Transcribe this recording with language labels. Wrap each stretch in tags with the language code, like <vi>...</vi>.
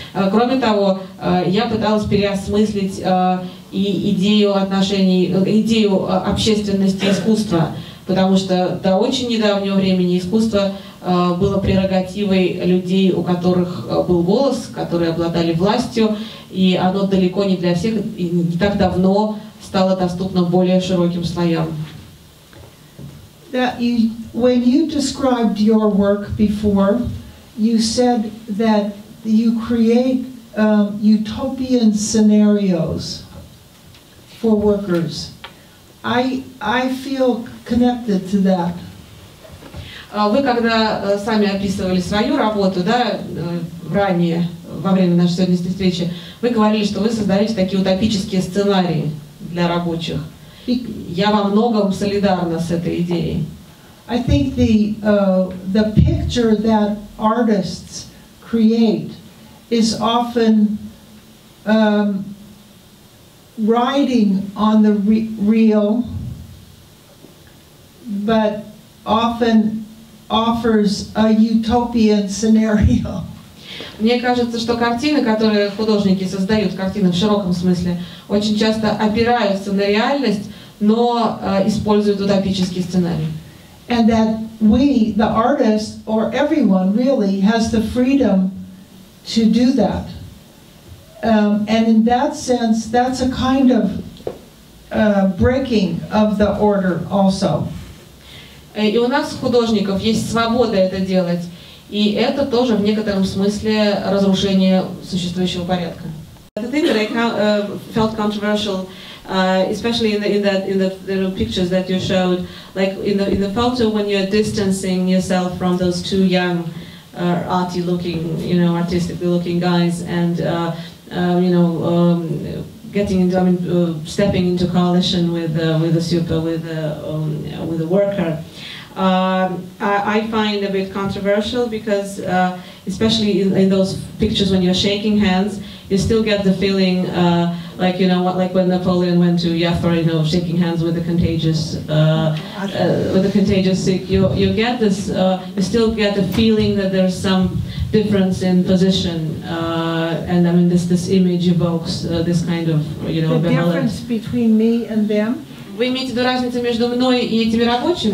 <ru>Кроме того, я пыталась переосмыслить и идею отношений, идею общественности искусства, потому что до очень недавнего времени искусство было прерогативой людей, у которых был голос, которые обладали властью, и оно далеко не для всех, и не так давно стало доступно более широким слоям.</ru> <en>That you, when you described your work before, you said that you create utopian scenarios for workers. I feel connected to that.</en> <ru>Вы когда сами описывали свою работу, да, ранее, во время нашей сегодняшней встречи, вы говорили, что вы создаете такие утопические сценарии для рабочих. Я во многом солидарна с этой идеей.</ru> <en>I think the picture that artists create is often riding on the real, but often offers a utopian scenario.</en> <ru>Мне кажется, что картины, которые художники создают, картины в широком смысле, очень часто опираются на реальность, но используют утопический сценарий.</ru> <en>And that we, the artist, or everyone really, has the freedom to do that. And in that sense, that's a kind of breaking of the order also.</en> <ru>И у нас, художников, есть свобода это делать. И это тоже в некотором смысле разрушение существующего порядка.</ru> <en>The thing that I felt controversial, especially in the pictures that you showed, like in the photo when you're distancing yourself from those two young, arty-looking, you know, artistically-looking guys, and stepping into coalition with the worker. I find a bit controversial because, especially in those pictures when you're shaking hands, you still get the feeling like when Napoleon went to Yaffa, you know, shaking hands with the contagious sick. You get this. You still get the feeling that there's some difference in position. And I mean, this image evokes this kind of, you know, the benevolent. Difference between me and them.</en> <ru>Вы имеете в виду разницу между мной и этими рабочими?</ru>